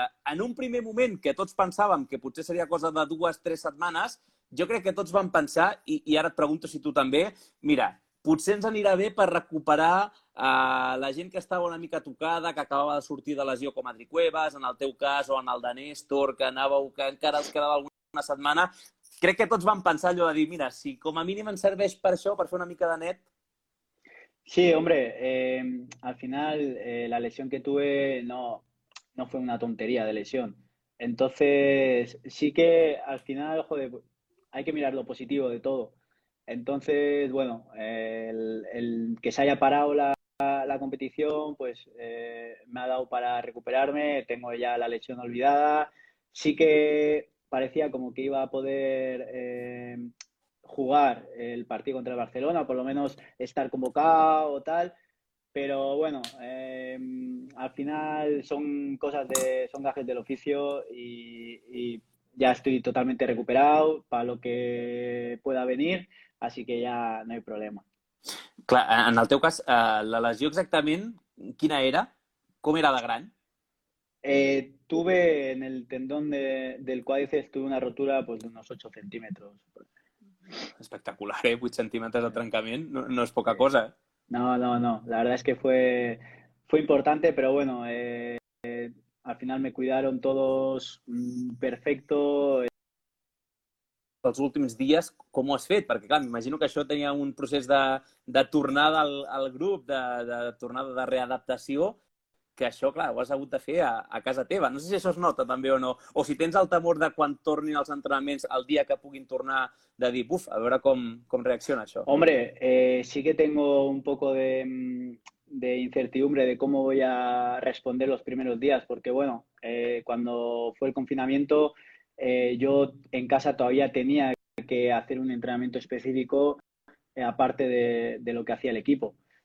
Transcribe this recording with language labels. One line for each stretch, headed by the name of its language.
Catalan: En un primer moment que tots pensàvem que potser seria cosa de 2-3 setmanes, jo crec que tots vam pensar, i ara et pregunto si tu també, mira, potser ens anirà bé per recuperar la gent que estava una mica tocada, que acabava de sortir de lesió com Adri Cuevas, en el teu cas, o en el de Néstor, que anàveu, que encara els quedava alguna setmana. Crec que tots vam pensar allò de dir, mira, si com a mínim ens serveix per això, per fer una mica de net.
Spanish: Sí, hombre, al final la lesión que tuve no fue una tontería de lesión. Entonces, sí que al final, joder, hay que mirar lo positivo de todo. Entonces, bueno, el que se haya parado la competición, pues me ha dado para recuperarme. Tengo ya la lesión olvidada. Sí que parecía como que iba a poder jugar el partido contra el Barcelona, por lo menos estar convocado o tal. Pero bueno, al final son gajes del oficio y ya estoy totalmente recuperado para lo que pueda venir. Así que ya no hay problema.
Catalan: Clar, en el teu cas, la lesió exactament, quina era? Com era de gran?
Spanish: Tuve en el tendón del cuádriceps, tuve una rotura pues, de unos 8 centímetros. Espectacular, ¿eh?
Catalan: 8 centímetres de trencament, no és poca cosa.
Spanish: No, la verdad es que fue importante, pero bueno, al final me cuidaron todos perfecto.
Catalan: Els últims dies, com ho has fet? Perquè, clar, m'imagino que això tenia un procés de tornada al grup, de tornada de readaptació, que això, clar, ho has hagut de fer a casa teva. No sé si això es nota també o no. O si tens el temor de quan tornin els entrenaments el dia que puguin tornar, de dir, buf, a veure com reacciona això.
Spanish: Hombre, sí que tengo un poco de incertidumbre de cómo voy a responder los primeros días, porque, bueno, cuando fue el confinamiento, yo en casa todavía tenía que hacer un entrenamiento específico aparte de lo que hacía el equipo.